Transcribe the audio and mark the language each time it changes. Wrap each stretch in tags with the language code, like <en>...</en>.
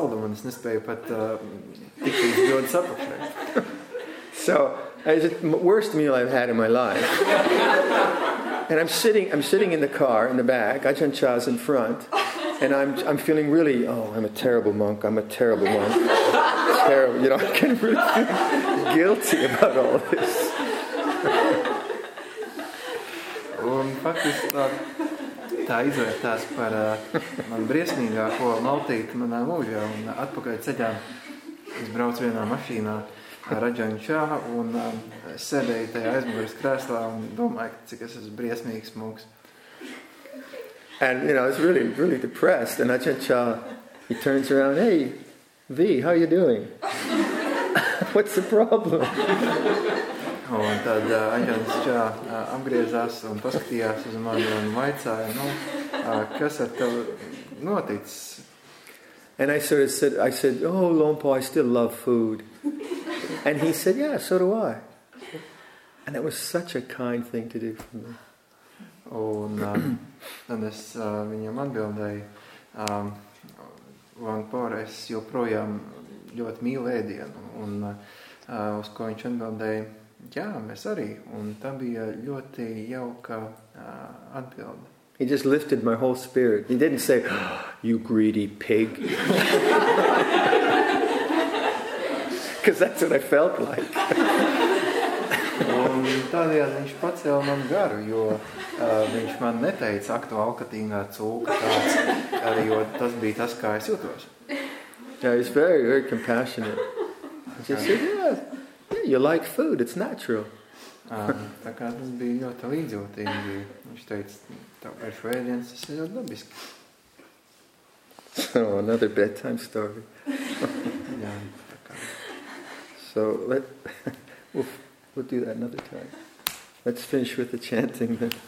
<lv>Es nespēju pat tikt līdz bļodas apakšai.</lv> <en>So, it's the worst meal I've had in my life. And I'm sitting in the car in the back. Ajahn Chah's in front. And I'm feeling really, I'm a terrible monk. Terrible, you know, I'm getting really guilty about all this.</en> <lv>Un faktiski tā izvērtās par man briesmīgāko maltīti manā mūžā. Un atpakaļ ceļā es braucu vienā mašīnā ar Ajahn Chah un sēdēju tajā aizmuguras krēslā un domāju, cik es esmu briesmīgs monks.</lv> <en>And, you know, I was really, really depressed. And Ajahn Chah, he turns around, hey, V, how are you doing? What's the problem?</en> <lv>Un tad Ajahn Chah apgriezās un paskatījās uz mani un vaicāja, kas ar tev noticis?</lv> <en>And I sort of said, oh, Lompo, I still love food. And he said, yeah, so do I. And that was such a kind thing to do for me.</en> <lv>Un tad es viņam atbildēju, Lompor, es joprojām ļoti mīlu ēdienu, un uz ko viņš atbildēja, jā, mēs arī, un tā bija ļoti jauka atbilde.</lv> <en>He just lifted my whole spirit. He didn't say, you greedy pig. Because that's what I felt like.</en> <lv>Un tādējādi viņš pacēla man garu, jo viņš man neteica, ak, tu alkatīngā cūka tāds, jo tas bija tas, kā es jūtos.</lv> <en>Yeah, he's very, very compassionate. He just said, yeah, you like food, it's natural.</en> <lv>Tā kā tas bija ļoti līdzjūtīgi. Viņš teica, tev ir švēdienas, tas ir ļoti dabiski.</lv> <en>So, another bedtime story.</en> <lv>Jā, tā kā.</lv> <en>So, we'll do that another time. Let's finish with the chanting then.</en>